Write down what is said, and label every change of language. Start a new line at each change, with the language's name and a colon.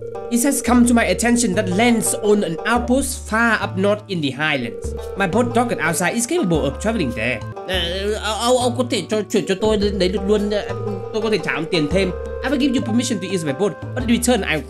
English: It has come to my attention that Lance owns an outpost far up north in the Highlands. My boat docked outside is capable of traveling there.
Vietnamese: Ông có thể chuyển cho tôi lên đấy được luôn. Tôi có thể trả ông tiền thêm.
English: I will give you permission to use my boat, but in return